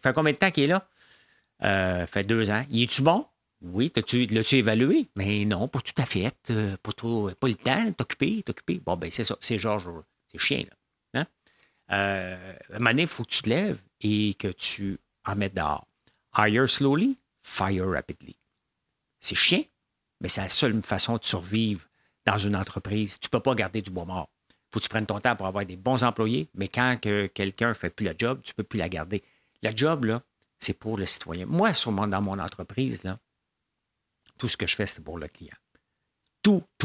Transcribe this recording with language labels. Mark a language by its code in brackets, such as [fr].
[fr] Fait combien de temps qu'il est là? Fait 2 ans. Y es-tu bon? Oui, l'as-tu évalué? Mais non, pas tout à fait. Pas le temps, t'occuper. Bon, bien, c'est ça. C'est Georges, c'est chien, là. Hein? Mané, il faut que tu te lèves et que tu en mettes dehors. [en] Hire slowly, fire rapidly. [fr] C'est chien, mais c'est la seule façon de survivre dans une entreprise. Tu ne peux pas garder du bois mort. faut que tu prennes ton temps pour avoir des bons employés, mais quand que quelqu'un ne fait plus le job, tu ne peux plus la garder. Le job, là, c'est pour le citoyen. Moi, sûrement dans mon entreprise, là, tout ce que je fais, c'est pour le client. Tout.